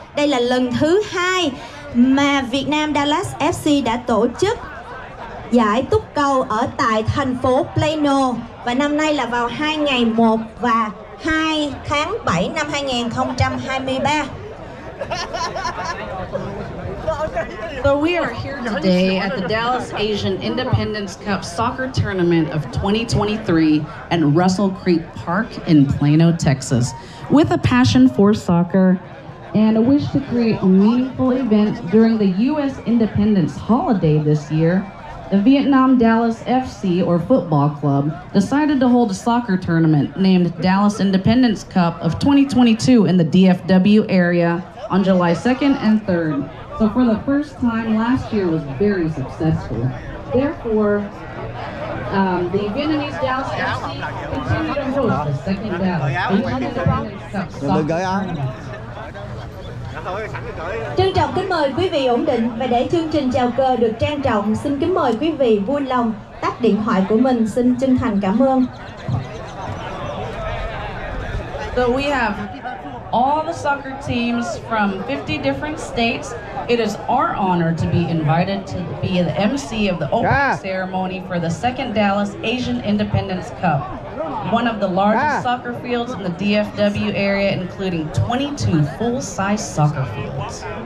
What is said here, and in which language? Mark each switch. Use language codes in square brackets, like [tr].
[vi] Đây là lần thứ hai mà Việt Nam Dallas FC đã tổ chức giải túc cầu ở tại thành phố Plano. Và năm nay là vào 2 ngày 1 và 2 tháng 7 năm 2023. [en] So we are here today at the Dallas Asian Independence Cup Soccer Tournament of 2023 at Russell Creek Park in Plano, Texas, with a passion for soccer and a wish to create a meaningful event during the U.S. Independence Holiday this year. The Vietnam Dallas FC, or football club, decided to hold a soccer tournament named Dallas Independence Cup of 2022 in the DFW area on July 2nd and 3rd. So for the first time, last year was very successful. Therefore, the Vietnamese Dallas FC continue to host the second Dallas Independence Cup soccer tournament. [vi] Trân trọng kính mời quý vị ổn định, và để chương trình chào cờ được trang trọng, xin kính mời quý vị vui lòng tắt điện thoại của mình. Xin chân thành cảm ơn. [en] So we have all the soccer teams from 50 different states. It is our honor to be invited to be the MC of the opening ceremony for the second Dallas Asian Independence Cup. One of the largest soccer fields in the DFW area, including 22 full-size soccer fields.